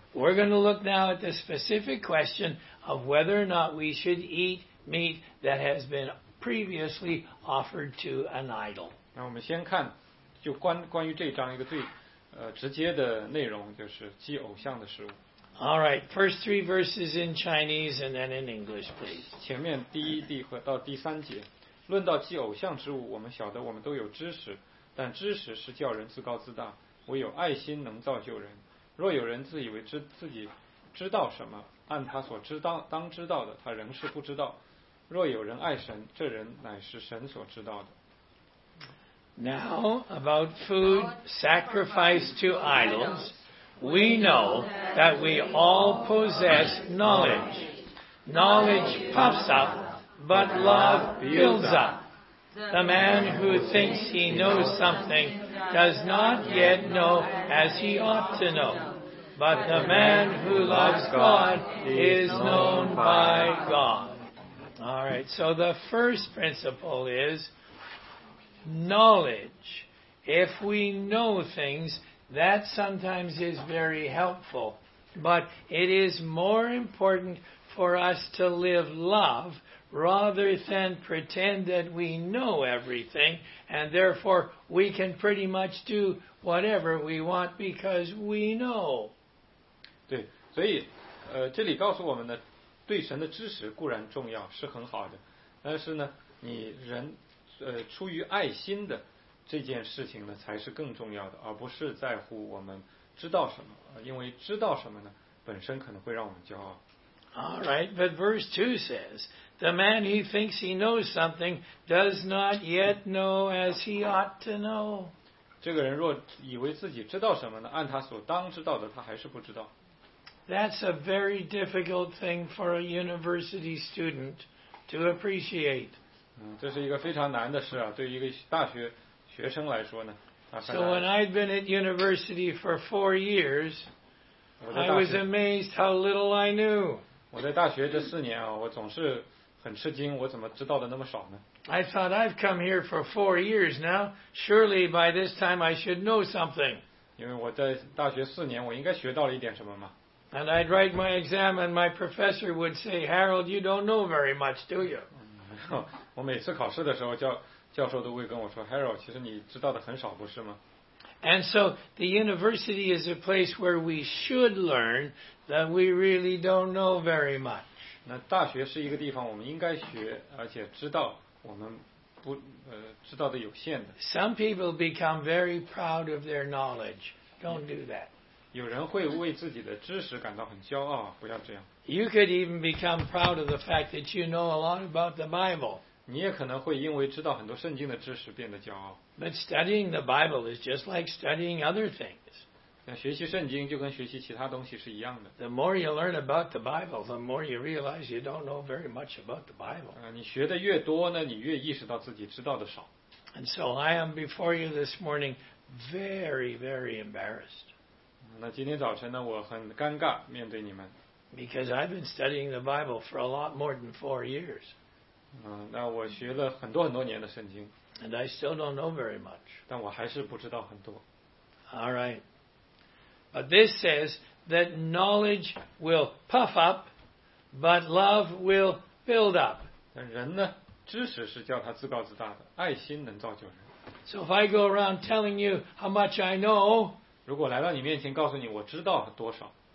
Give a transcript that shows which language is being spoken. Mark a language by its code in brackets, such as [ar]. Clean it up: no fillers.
[en] We're going to look now at the specific question of whether or not we should eat meat that has been previously offered to an idol. [zh] 那我们先看，就关于这章一个最直接的内容，就是祭偶像的食物。 [en] All right, first three verses in Chinese and then in English, please. [zh] 前面第一第和到第三节，论到祭偶像之物，我们晓得我们都有知识。但知识是叫人自高自大，唯有爱心能造就人。若有人自以为自己知道什么，按他所知道当知道的，他仍是不知道。若有人爱神，这人乃是神所知道的。 [en] Now about food sacrificed to idols, we know that we all possess knowledge. Knowledge puffs up, but love builds up. The man who thinks he knows something does not yet know as he ought to know. But the man who loves God is known by God. All right, so the first principle is knowledge. If we know things, that sometimes is very helpful. But it is more important for us to live love. Rather than pretend that we know everything, and therefore we can pretty much do whatever we want because we know. [zh] 对，所以，这里告诉我们呢，对神的知识固然重要，是很好的，但是呢，你人出于爱心的这件事情呢才是更重要的，而不是在乎我们知道什么，因为知道什么呢本身可能会让我们骄傲。 [en] All right, but verse 2 says, the man who thinks he knows something does not yet know as he ought to know. [zh] 这个人若以为自己知道什么呢，按他所当知道的他还是不知道。 [en] That's a very difficult thing for a university student to appreciate. [zh] 这是一个非常难的事啊，对于一个大学学生来说呢。 [en] So when I'd been at university for 4 years, I was amazed how little I knew. [zh] 我在大学这四年啊，我总是很吃惊，我怎么知道的那么少呢 [en] ？I thought I've come here for 4 years now. Surely by this time I should know something. [zh] 因为我在大学四年，我应该学到了一点什么嘛。 [en] And I'd write my exam, and my professor would say, "Harold, you don't know very much, do you?" [zh] 我每次考试的时候，教授都会跟我说 ，Harold， 其实你知道的很少，不是吗？ [en] And so the university is a place where we should learn that we really don't know very much. [zh] 那大学是一个地方我们应该学，而且知道我们不知道的有限的。 [en] Some people become very proud of their knowledge. Don't do that. [zh] 有人会为自己的知识感到很骄傲，不要这样。 [en] You could even become proud of the fact that you know a lot about the Bible. [zh] 你也可能会因为知道很多圣经的知识变得骄傲。 [en] But studying the Bible is just like studying other things. [zh] 那学习圣经就跟学习其他东西是一样的。 [en] The more you learn about the Bible, the more you realize you don't know very much about the Bible. [zh] 你学的越多呢，你越意识到自己知道的少。 [en] And so I am before you this morning very, very embarrassed. [zh] 那今天早晨呢，我很尴尬面对你们。 [en] Because I've been studying the Bible for a lot more than 4 years. [zh] 那我学了很多很多年的圣经。 [en] And I still don't know very much. [zh] 但我还是不知道很多。 [en] All right. But this says that knowledge will puff up, but love will build up. [zh] 但人呢，知识是叫他自高自大的，爱心能造就人。 [en] So if I go around telling you how much I know, [zh] 如果来到你面前告诉你我知道多少，